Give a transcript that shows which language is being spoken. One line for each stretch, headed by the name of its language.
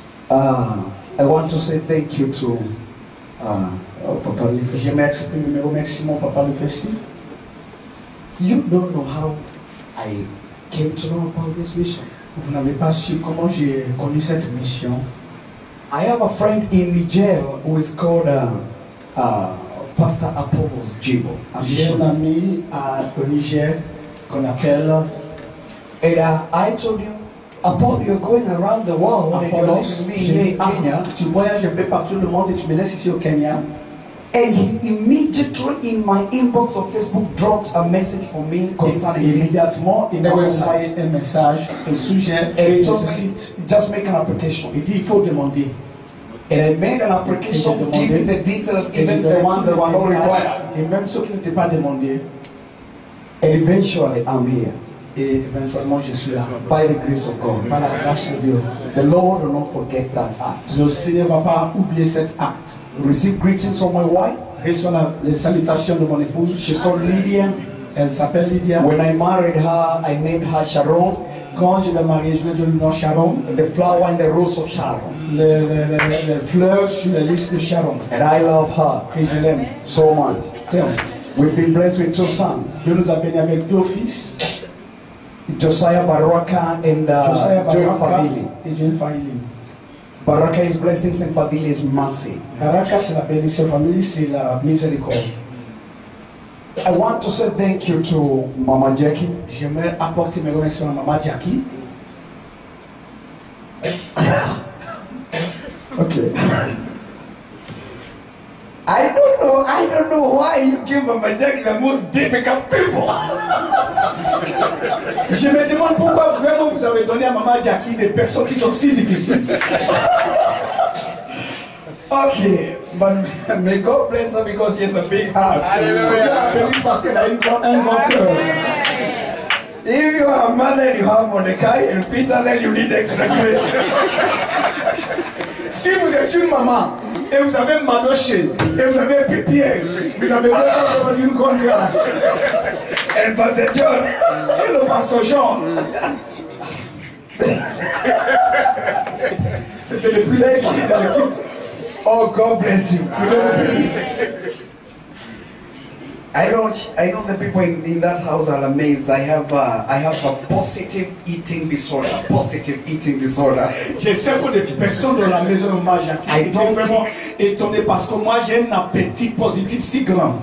English: I want to say thank you to Papa Lefessi.
French: Je m'exprime remerciement Papa Lefessi.
English: You don't know how I came to know about this mission.
French: Vous n'avez pas su comment j'ai connu cette mission.
English: I have a friend in Niger who is called Pastor Apollos Jibo.
French: J'ai un ami au Niger qu'on appelle.
English: And I told you, Apollos, you're going around the world.
French: Apollos, Kenya. Tu voyages un peu partout le monde et tu me laisses ici au Kenya.
English: And he immediately in my inbox of Facebook dropped a message for me concerning just make an application.
French: Il dit, il faut demander.
English: And I made an application giving the details, even the ones that were not required.
French: Et même ceux qui n'étaient pas demandés.
English: And eventually I'm here.
French: Et éventuellement je suis là.
English: By the grace of God.
French: Par la grâce de Dieu.
English: The Lord will not forget that act.
French: Le Seigneur ne va pas oublier cet acte.
English: Receive greetings from my wife.
French: Reçois les salutations de mon épouse.
English: She's called Lydia.
French: Elle s'appelle Lydia.
English: When I married her, I named her Sharon.
French: Quand je l'ai mariée, je lui ai donné le nom Sharon.
English: The flower and the rose of Sharon.
French: Le fleur sur la liste de Sharon.
English: And I love her.
French: Et je l'aime
English: so much. Tell. We've been blessed with two sons.
French: Dieu nous a bénis avec deux fils.
English: Josiah Baraka and
French: Josiah Fadili. Et Jean Fadili.
English: Baraka is blessings and Fadili is mercy.
French: Baraka c'est la bénédiction, Fadili c'est la miséricorde.
English: I want to say thank you to Mama Jackie.
French: J'aimerais apporter mes remerciements à Mama Jackie.
English: Okay. I don't know why you give Mama Jackie the most difficult people.
French: Je me demande pourquoi vraiment vous avez donné à Mama Jackie des personnes qui sont si difficiles.
English: Ok, but may God bless her because she has a big heart.
French: Alléluia. Parce qu'elle a un grand cœur.
English: If you are a man and you have Mordecai and Peter, then you need extra grace.
French: Si vous êtes une maman et vous avez Madoché et vous avez Pierre, vous avez besoin d'une grande grâce.
English: And Pastor John. Hello, Pastor John.
French: C'était le plus difficile dans l'équipe.
English: Oh, God bless you.
French: Que Dieu vous bénisse.
English: I know the people in that house are amazed. I have a positive eating disorder. Positive eating disorder.
French: Je sais que les personnes dans la maison mangent.
English: I don't think.
French: Étonné parce que moi j'ai un appétit positif si grand.